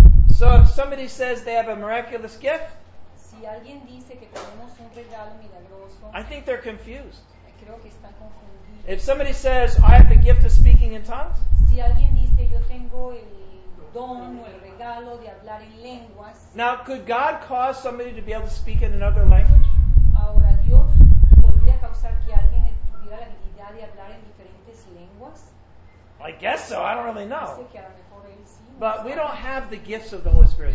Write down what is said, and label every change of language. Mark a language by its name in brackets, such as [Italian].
[English] So if somebody says they have a miraculous gift, [Spanish] si alguien dice que tenemos un regalo milagroso, [English] I think they're confused. [Spanish] Creo que están confundidos. [English] If somebody says, I have the gift of speaking in tongues, [Spanish] si alguien dice, yo tengo el don o el regalo de hablar en lenguas, [English] now, could God cause somebody to be able to speak in another language? [Spanish] Ahora, Dios podría causar que alguien tuviera la habilidad de hablar en diferentes lenguas? [English] I guess so, I don't really know. [Spanish] Dice que a lo mejor él sí, [English] but no, we don't have the gifts of the Holy Spirit.